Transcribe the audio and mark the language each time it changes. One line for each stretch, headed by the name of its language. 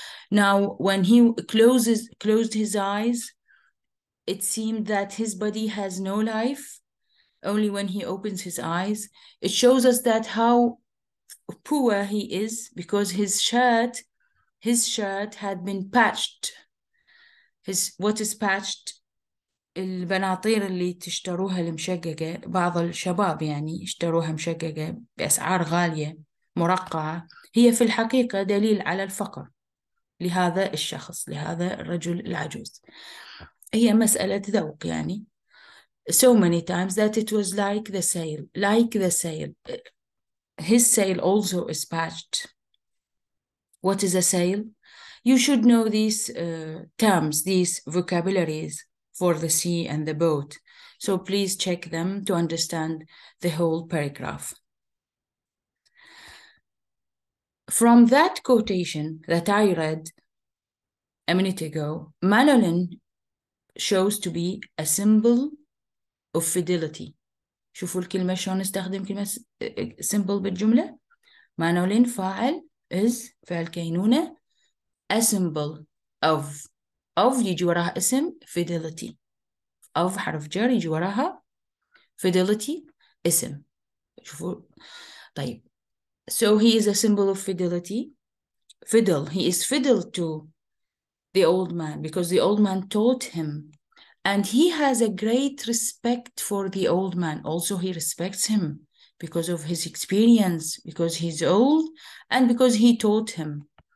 English: Now, when he closed his eyes, it seemed that his body has no life. Only when he opens his eyes, it shows us that how poor he is, because his shirt had been patched. What is patched?
Arabic: البناطير اللي تشتروها المشققة، بعض الشباب يعني اشتروها مشققة بأسعار غالية مرقعة، هي في الحقيقة دليل على الفقر لهذا الشخص، لهذا الرجل العجوز. هي مسألة ذوق يعني.
English: So many times that it was like the sail. His sail also is patched. What is a sail? You should know these terms, these vocabularies for the sea and the boat. So please check them to understand the whole paragraph. From that quotation that I read a minute ago, Manolin shows to be a symbol of fidelity.
Arabic: شوفوا الكلمة شلون نستخدم كلمة symbol بالجملة. Manolin فاعل
English: is
Arabic: فعل كينونة.
English: A symbol of
Arabic: يجي وراها اسم
English: fidelity. Of
Arabic: حرف جر يجي وراها fidelity اسم. شوفوا طيب.
English: So he is a symbol of fidelity. Fiddle. He is fiddle to the old man because the old man taught him. And he has a great respect for the old man. Also he respects him because of his experience, because he's old, and because he taught him.